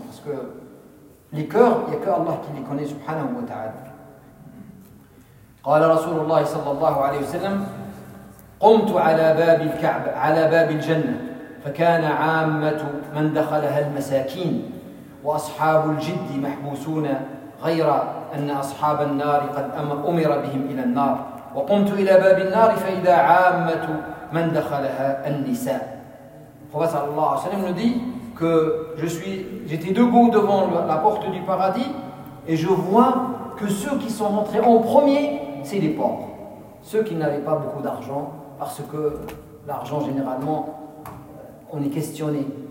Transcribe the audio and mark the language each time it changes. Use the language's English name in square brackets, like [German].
[French] Parce que les cœurs, il n'y a que Allah qui les connaît, subhanahu wa ta'ala. [Arabic] قال رسول الله صلى الله عليه وسلم قمت على باب الكعبة على باب الجنة فكان عامة من دخلها المساكين وأصحاب الجد محبوسون غير أن أصحاب النار قد أمر بهم إلى النار وقمت إلى باب النار فإذا عامة من دخلها النساء. فبس صلى الله عليه وسلم [French] nous dit que j'étais debout devant la porte du paradis et je vois que ceux qui sont entrés en premier, c'est les pauvres, ceux qui n'avaient pas beaucoup d'argent, parce que l'argent, généralement, on est questionné.